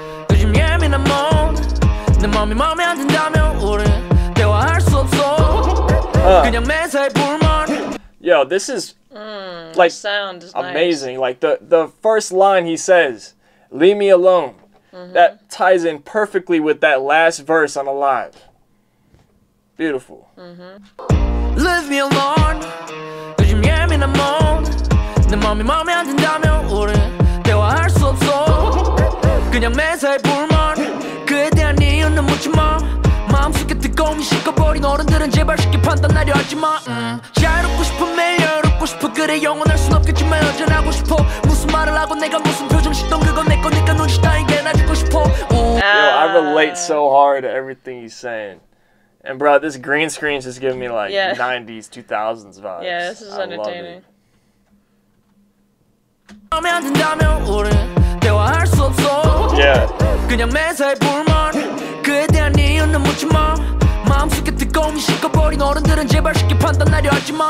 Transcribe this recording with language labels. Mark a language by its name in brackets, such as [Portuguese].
[Korean] 요즘 예민한 몸 내 맘이 맘에 안 든다면 우린 대화할 수 없어 그냥 매사에 불만 [English] Yo, this is like the sound is amazing. Nice. Like the first line he says, leave me alone. Mm-hmm. That ties in perfectly with that last verse on Alive. Beautiful. Mm-hmm. Leave me alone. [Korean] 요즘 예민한 몸 내 맘이 맘에 안 든다면 우린 대화할 수 없어 그냥 매사에 불만 그에 대한 이유는 묻지마 마음속에 뜨거움이 식어버린 어른들은 제발 쉽게 판단 내려하지마 자유롭고 싶은 매일 여롭고 싶어 그래 영원할 순 없겠지만 여전하고 싶어 무슨 말을 하고 내가 무슨 표정 짓던 그건 내 거니까 눈치 따인 게 나 죽고 싶어 [English] Yo, I relate so hard to everything he's saying. And bro, this green screen's just giving me like yeah. 90s, 2000s vibes. Yeah, this is entertaining. Yeah.